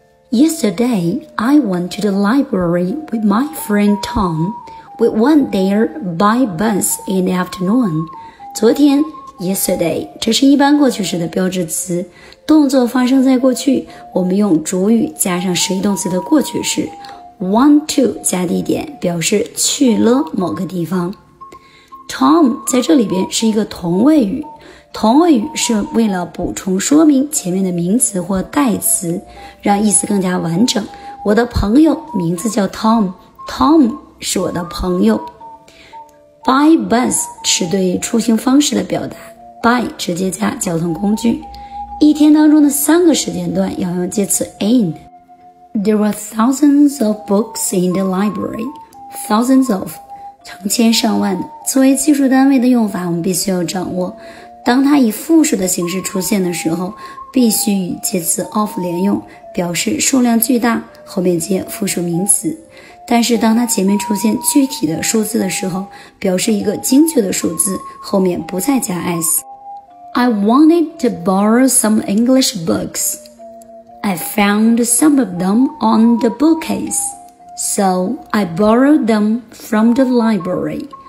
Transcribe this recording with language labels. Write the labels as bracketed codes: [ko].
[en] Yesterday, I went to the library with my friend Tom. We went there by bus in the afternoon. [zh] 昨天 ,yesterday, 这是一般过去时的标志词。动作发生在过去，我们用主语加上实义动词的过去式。 Want to 加地点表示去了某个地方。 Tom 在这里边是一个同位语。同位语是为了补充说明前面的名词或代词，让意思更加完整。我的朋友名字叫 Tom 是我的朋友。 By bus 是对出行方式的表达， by 直接加交通工具。一天当中的三个时间段要用介词 in。 [en] There were thousands of books in the library. [zh] Thousands of, 成千上万的。作为计数单位的用法我们必须要掌握。当它以复数的形式出现的时候，必须与介词 of 连用，表示数量巨大，后面接复数名词。但是当它前面出现具体的数字的时候，表示一个精确的数字，后面不再加 s。 [en] I wanted to borrow some English books. I found some of them on the bookcase, so I borrowed them from the library.